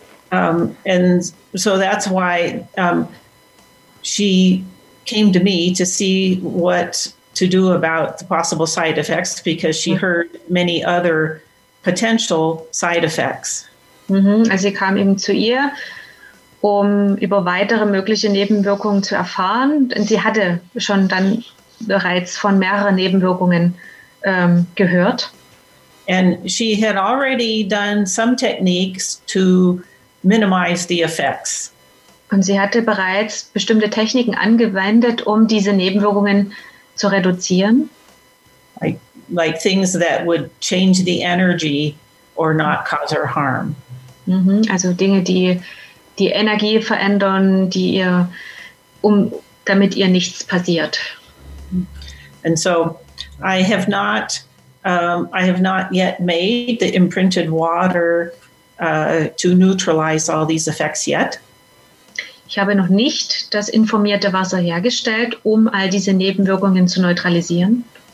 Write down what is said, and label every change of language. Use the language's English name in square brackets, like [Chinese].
[English] And so that's why she came to me to see what to do about the possible side effects, because she heard many other potential side effects. [German] Also sie kam eben zu ihr, um über weitere mögliche Nebenwirkungen zu erfahren. Und sie hatte schon dann bereits von mehreren Nebenwirkungen gehört. [English] And she had already done some techniques to minimize the effects. [German] Und sie hatte bereits bestimmte Techniken angewendet, um diese Nebenwirkungen zu reduzieren. [English] Like things that would change the energy or not cause her harm. [German] Mhm, also Dinge, die die Energie verändern, die ihr, um damit ihr nichts passiert. [English] And so I have not yet made the imprinted water to neutralize all these effects yet. [German] Ich habe noch nicht das informierte Wasser hergestellt, um all diese Nebenwirkungen zu neutralisieren.